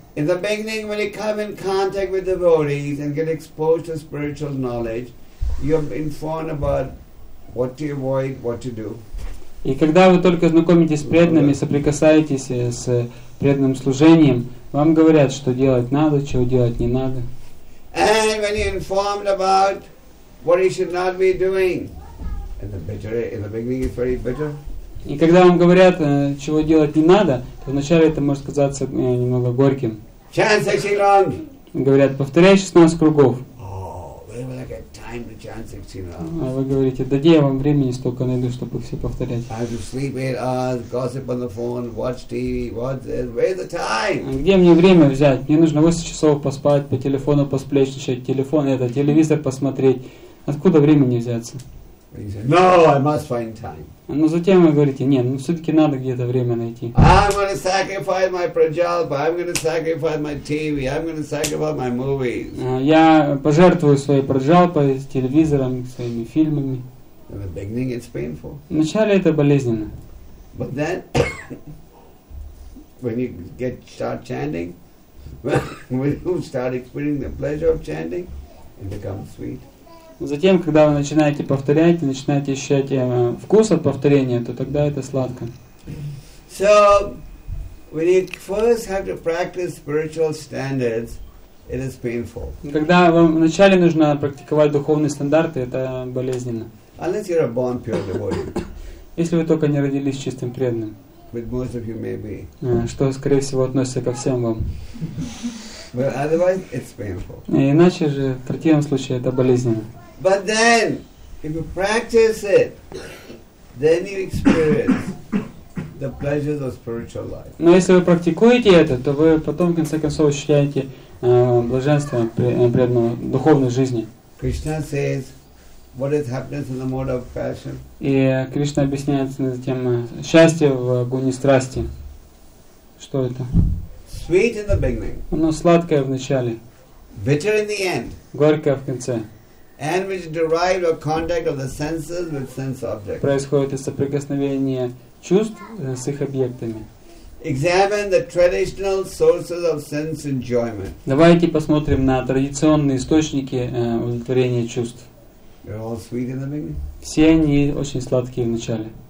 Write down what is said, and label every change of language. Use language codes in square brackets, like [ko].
[en] In the beginning, when you come in contact with devotees and get exposed to spiritual knowledge, you're informed about what to avoid, what to do. [ru] И когда вы только знакомитесь с преданными, соприкасаетесь с преданным служением, вам говорят, что делать надо, чего делать не надо. [en] And when you're informed about what you should not be doing, and the bitter, in the beginning, it's very bitter. [ru] И когда вам говорят, чего делать не надо, то вначале это может казаться немного горьким. [en] Chant 16 rounds. [ru] Говорят, повторяй 16 кругов. [en] Oh, where will I get time to chant 16 rounds? [ru] А вы говорите, дади я вам времени столько найду, чтобы все повторять. [en] I have to sleep 8 hours, gossip on the phone, watch TV, watch this. Where's the time? [ru] А где мне время взять? Мне нужно 8 часов поспать, по телефону посплетничать, телефон, это, телевизор посмотреть. Откуда времени взяться? [en] No, I must find time. [ru] Но затем вы говорите, нет, ну все-таки надо где-то время найти. [en] I'm going to sacrifice my prajalpa, I'm going to sacrifice my TV, I'm going to sacrifice my movies. [ru] Я пожертвую своей прожалпой, телевизором, своими фильмами. [en] In the beginning it's painful. [ru] Вначале это болезненно. [en] But then, when you get start chanting, when you start experiencing the pleasure of chanting, it becomes sweet. [ru] Затем, когда вы начинаете повторять, и начинаете ощущать вкус от повторения, то тогда это сладко. [en] So, when you first have to practice spiritual standards, it is painful. [ru] Когда вам вначале нужно практиковать духовные стандарты, это болезненно. [en] Unless you're a born pure devotee. [ru] Если вы только не родились чистым преданным. [en] But most of you may be. [ru] Что, скорее всего, относится ко всем вам. [en] But otherwise, it's painful. [ru] Иначе же, в противном случае, это болезненно. [en] But then, if you practice it, then you experience the pleasures of spiritual life. [ru] Но если вы практикуете это, то вы потом, в конце концов, ощущаете блаженство преданного духовной жизни. [en] Krishna says, what is happiness in the mode of passion? [ru] И Кришна объясняет затем счастье в гуне страсти. Что это? [en] Sweet in the beginning. [ru] Оно сладкое в начале. [en] Bitter in the end. [ru] Горькое в конце. [en] And which derived of contact of the senses with sense objects. [ru] Происходит из соприкосновения чувств с их объектами. [en] Examine the traditional sources of sense enjoyment. [ru] Давайте посмотрим на традиционные источники удовлетворения чувств. [en] They're all sweet in the beginning. [ru] Все они очень сладкие в начале.